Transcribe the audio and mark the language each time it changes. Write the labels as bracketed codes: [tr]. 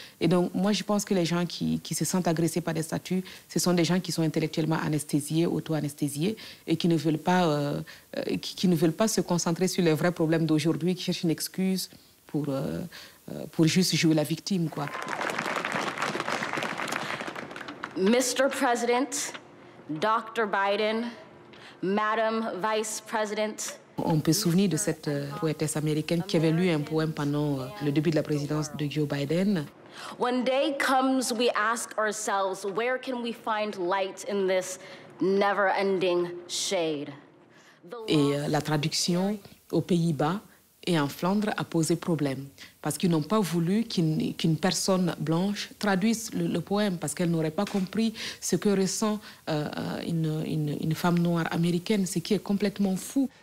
[fr] Et donc, moi, je pense que les gens qui se sentent agressés par des statues, ce sont des gens qui sont intellectuellement anesthésiés, auto-anesthésiés, et qui ne veulent pas, qui ne veulent pas se concentrer sur les vrais problèmes d'aujourd'hui, qui cherchent une excuse pour juste jouer la victime, quoi. [en] Mr. President, Dr. Biden, Madam Vice President. [fr] On peut se souvenir de cette poétesse américaine qui avait lu un poème pendant le début de la présidence de Joe Biden. [en] When day comes, we ask ourselves, where can we find light in this never-ending shade? [fr] Et la traduction aux Pays-Bas et en Flandre a posé problème. Parce qu'ils n'ont pas voulu qu'une personne blanche traduise le poème, parce qu'elle n'aurait pas compris ce que ressent une femme noire américaine, ce qui est complètement fou.